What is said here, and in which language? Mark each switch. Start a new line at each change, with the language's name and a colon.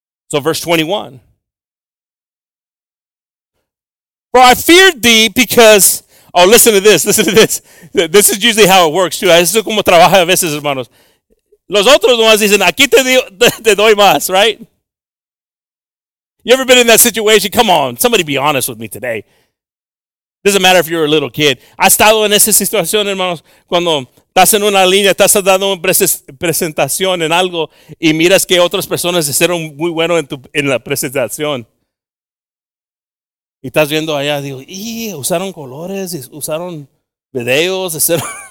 English: So verse 21. For I feared thee because... Oh, listen to this. This is usually how it works too.
Spanish: Eso es como trabaja a veces, hermanos. Los otros nomás dicen, aquí te doy más, right?
English: You ever been in that situation? Come on, somebody be honest with me today. Doesn't matter if you're a little kid.
Spanish: ¿Has estado en esa situación, hermanos? Cuando estás en una línea, estás dando una presentación en algo y miras que otras personas hicieron muy bueno en la presentación. Y estás viendo allá, digo, y usaron colores, usaron videos, hicieron...